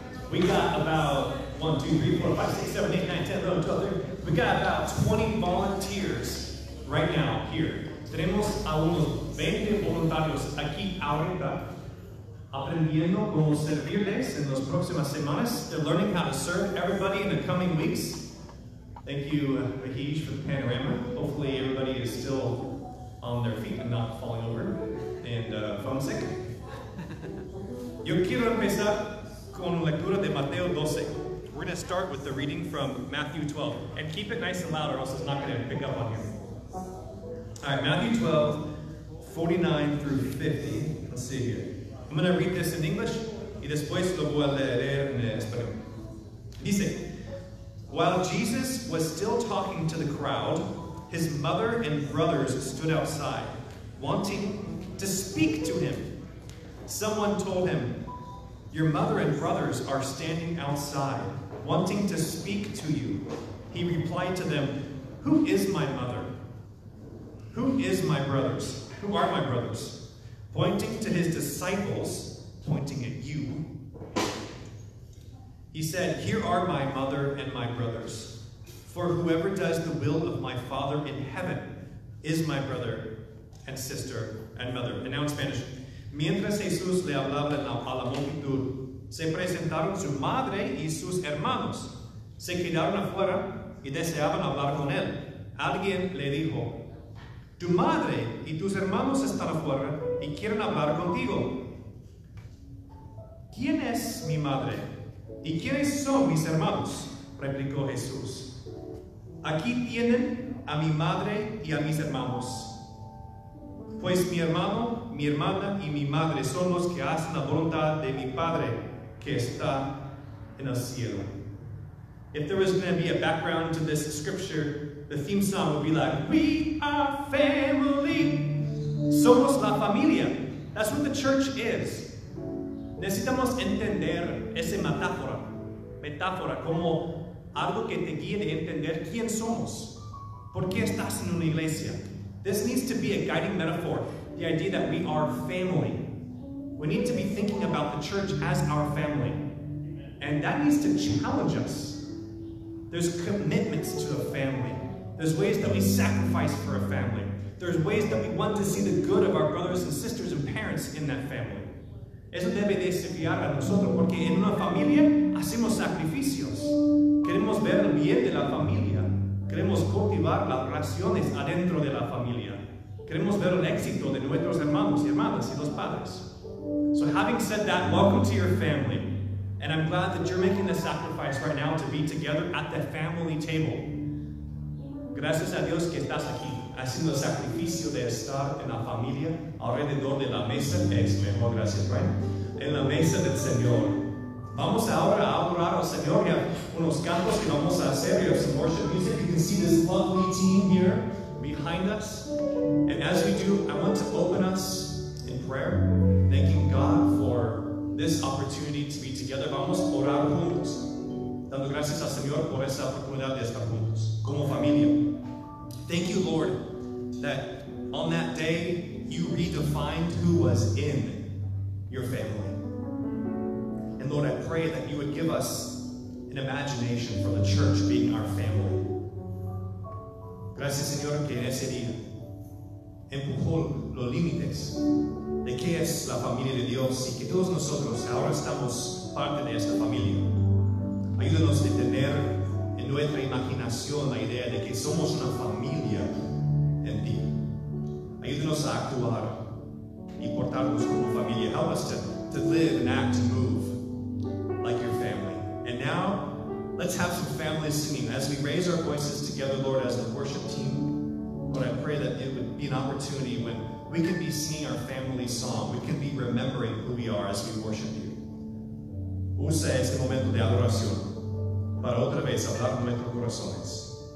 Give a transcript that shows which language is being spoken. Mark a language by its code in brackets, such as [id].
[en] We got about 1, 2, 3, 4, 5, 6, 7, 8, 9, 10, 11, 12, 13. We got about 20 volunteers right now here. [es] Tenemos a unos 20 voluntarios aquí ahora aprendiendo cómo servirles en las próximas semanas. [en] They're learning how to serve everybody in the coming weeks. Thank you, Mahesh, for the panorama. Hopefully everybody is still on their feet and not falling over and homesick. [es] Yo quiero empezar con la lectura de Mateo 12. [en] We're going to start with the reading from Matthew 12. And keep it nice and loud or else it's not going to pick up on you. All right, Matthew 12, 49 through 50. Let's see here. [es] I'm going to read this in English, y después lo voy a leer en español. [en] Dice, while Jesus was still talking to the crowd, his mother and brothers stood outside, wanting to speak to him. Someone told him, your mother and brothers are standing outside, wanting to speak to you. He replied to them, who is my mother? Who is my brothers? Who are my brothers? Pointing to his disciples, pointing at you, he said, here are my mother and my brothers. For whoever does the will of my Father in heaven is my brother and sister and mother. And now in Spanish. [es] Mientras Jesús le hablaba a la multitud, se presentaron su madre y sus hermanos. Se quedaron afuera y deseaban hablar con él. Alguien le dijo, tu madre y tus hermanos están afuera y quieren hablar contigo. ¿Quién es mi madre? ¿Y quiénes son mis hermanos? Replicó Jesús. Aquí tienen a mi madre y a mis hermanos. Pues mi hermano, mi hermana y mi madre son los que hacen la voluntad de mi Padre que está en el cielo. [en] If there was going to be a background to this scripture, the theme song would be like, we are family. Somos la familia. That's what the church is. [es] Necesitamos entender esa metáfora. Metáfora como algo que te guíe de entender quién somos. [en] ¿Por qué estás en una iglesia? This needs to be a guiding metaphor. The idea that we are family. We need to be thinking about the church as our family. And that needs to challenge us. There's commitments to a family. There's ways that we sacrifice for a family. There's ways that we want to see the good of our brothers and sisters and parents in that family. [es] Eso debe desafiar a nosotros, porque en una familia hacemos sacrificios. Queremos ver el bien de la familia. Queremos cultivar las relaciones adentro de la familia. Queremos ver el éxito de nuestros hermanos y hermanas y los padres. [en] So having said that, welcome to your family. And I'm glad that you're making the sacrifice right now to be together at the family table. [es] Gracias a Dios que estás aquí, haciendo el sacrificio de estar en la familia, alrededor de la mesa, es mejor, gracias, right? En la mesa del Señor. Vamos ahora a adorar al Señor, ya unos cantos que vamos a hacer, we have some worship music. [en] You can see this lovely team here behind us. And as we do, I want to open us in prayer, thanking God for this opportunity to be together. [es] Vamos a orar juntos, dando gracias al Señor por esta oportunidad de estar juntos, como familia. [en] Thank you, Lord, that on that day, you redefined who was in your family. And Lord, I pray that you would give us an imagination for the church being our family. [es] Gracias, Señor, que en ese día empujó los límites de qué es la familia de Dios y que todos nosotros ahora estamos parte de esta familia. Ayúdanos a tener en nuestra imaginación la idea de que somos una familia en ti. Ayúdanos a actuar y portarnos como familia. [en] Help us to live and act and move like your family. And now, let's have some family singing. As we raise our voices together, Lord, as the worship team, Lord, I pray that it would be an opportunity when we can be singing our family song. We can be remembering who we are as we worship you. [es] Usa este momento de adoración para otra vez hablar con nuestros corazones.